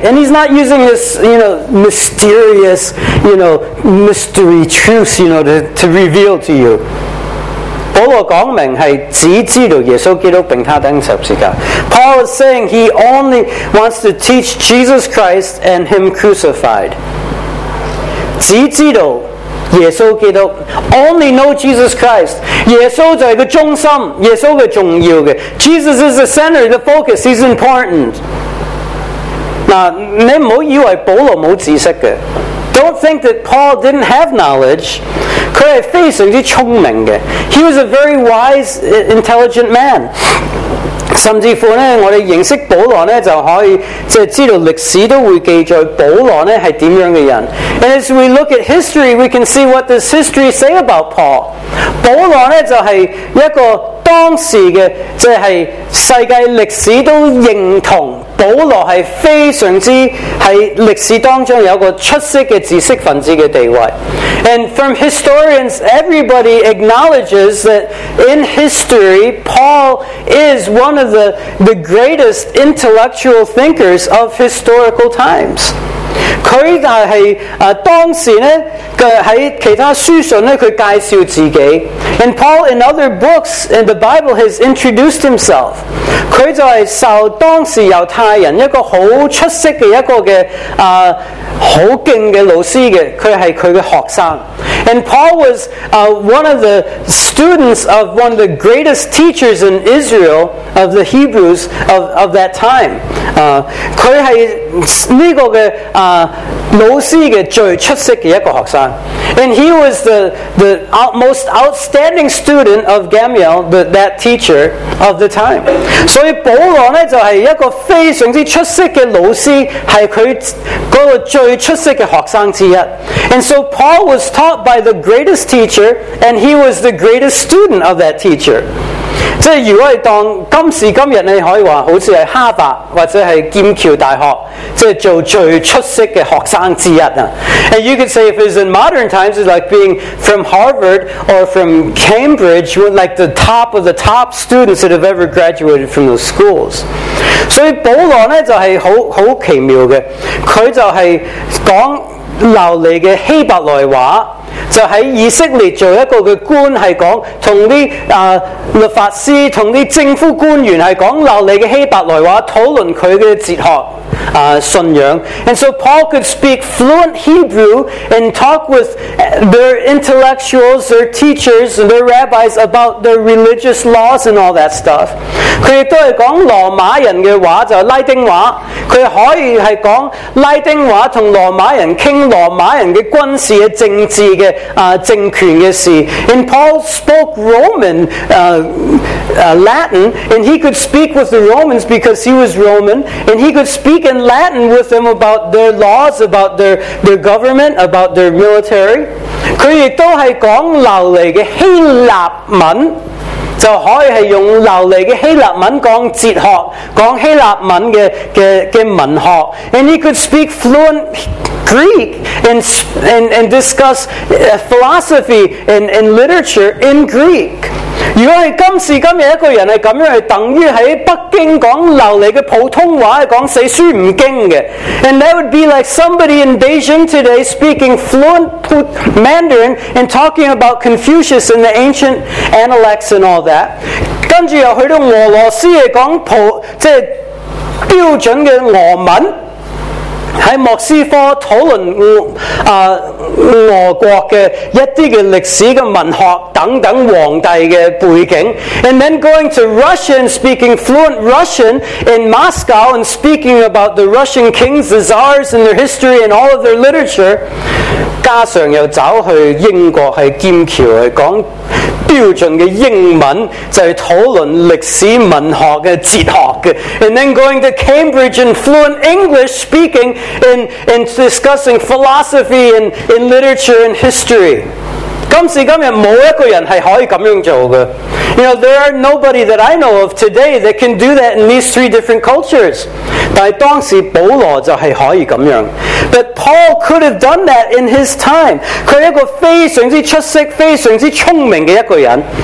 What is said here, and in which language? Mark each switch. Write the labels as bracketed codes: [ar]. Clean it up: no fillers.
[en] And he's not using this, you know, mysterious, you know, mystery truths, you know, to reveal to you. [zh] 保罗讲明是只知道耶稣基督并他钉十字架。 [en] Paul is saying he only wants to teach Jesus Christ and him crucified. [zh] 只知道耶稣基督， only know Jesus Christ. 耶稣就是个中心，耶稣是重要的。 [en] Jesus is the center, the focus, he's important. [zh] 那你不要以为保罗没知识的。 [en] Don't think that Paul didn't have knowledge. 他是非常之聪明的。 He was a very wise, intelligent man. [zh] 甚至乎呢，我们认识保罗呢，就可以就知道历史都会记载保罗呢是怎样的人。 [en] And as we look at history, we can see what does history say about Paul. [zh] 保罗呢就是一个当时的，就是世界历史都认同保罗是非常之在历史当中有一个出色的知识分子的地位。 [en] And from historians, everybody acknowledges that in history, Paul is one of the greatest intellectual thinkers of historical times. [zh] 他就是当时呢在其他书上呢他介绍自己。 [en] And Paul in other books in the Bible has introduced himself. [zh] 他就是受当时犹太人一个很出色的一个的很劲的老师的，他是他的学生。 [en] And Paul was one of the students of one of the greatest teachers in Israel of the Hebrews of that time. [zh] 他是这个的老师的最出色的一个学生。 [en] And he was the most outstanding student of Gamaliel, that teacher of the time. [zh] 所以保罗呢就是一个非常之出色的老师，是他那个最出色的学生之一。 [en] And so Paul was taught by the greatest teacher, and he was the greatest student of that teacher. [zh] 即是如果你当今时今日，你可以说好像是哈佛或者是剑桥大学，即是做最出色的学生之一。 [en] And you could say if it's in modern times, it's like being from Harvard or from Cambridge, like the top of the top students that have ever graduated from those schools. [zh] 所以保罗呢就是很奇妙的，他就是讲流利的希伯来话，就在以色列做一个的官，是讲同啲律法师同啲政府官员是讲流利的希伯来话，讨论佢嘅哲学信仰。 [en] And so Paul could speak fluent Hebrew and talk with their intellectuals, their teachers, their rabbis about their religious laws and all that stuff. [zh] 他也是讲罗马人的话，就是拉丁话，他可以是讲拉丁话和罗马人谈罗马人的军事的政治的政权的事。 [en] And Paul spoke Roman Latin, and he could speak with the Romans because he was Roman, and he could speak in Latin with them about their laws, about their government, about their military. [zh] 他也都是讲流利的希腊文，就可以是用流利的希腊文讲哲学，讲希腊文的文学。 [en] And he could speak fluent Greek and discuss philosophy and literature in Greek. [zh] 如果是今时今日一个人是这样，是等于在北京讲流利的普通话讲四书五经的。 [en] And that would be like somebody in Beijing today speaking fluent Mandarin and talking about Confucius and the ancient Analects and all that. [zh] 跟着又去到俄罗斯讲普即是标准的俄文，在莫斯科讨论俄国的一些历史的文学等等皇帝的背景。 [en] And then going to Russia and speaking fluent Russian in Moscow and speaking about the Russian kings, the czars and their history and all of their literature. [zh] 加上又走去英国去剑桥去讲标准的英文，就是讨论历史文学的哲学的。 [en] And then going to Cambridge in fluent English speaking in discussing philosophy in literature and history. [zh] 今时今日没有一个人是可以这样做的。 [en] You know, there are nobody that I know of today that can do that in these three different cultures. [zh] 但当时保罗就是可以这样。 [en] But Paul could have done that in his time. [zh] 他是一个非常之出色，非常之聪明的一个人。